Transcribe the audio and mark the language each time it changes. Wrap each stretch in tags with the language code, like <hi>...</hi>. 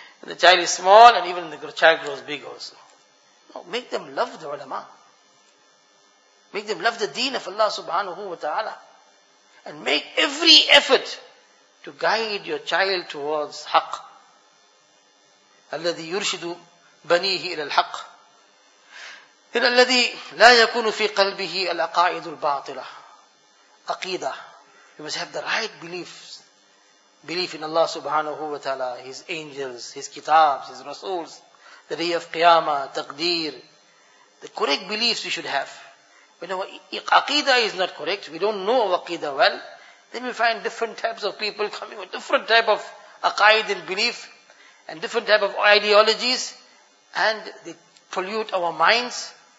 <en>The child is small, and even the child grows big also. No, make them love the ulama. Make them love the deen of Allah subhanahu wa ta'ala. And make every effort to guide your child towards haqq.</en> <ar>الَّذِي يُرْشِدُ بَنِيهِ إِلَى الْحَقِّ. إِلَى الَّذِي لَا يَكُنُ فِي قَلْبِهِ الْأَقَائِدُ الْبَاطِلَةِ. Aqeedah.</ar> <en>We must have the right beliefs. Belief in Allah subhanahu wa ta'ala, His angels, His kitabs, His rasuls, the day of qiyamah, taqdeer. The correct beliefs we should have. When our aqidah is not correct, we don't know aqidah well, then we find different types of people coming with different type of aqaid and belief and different type of ideologies, and they pollute our minds.</en>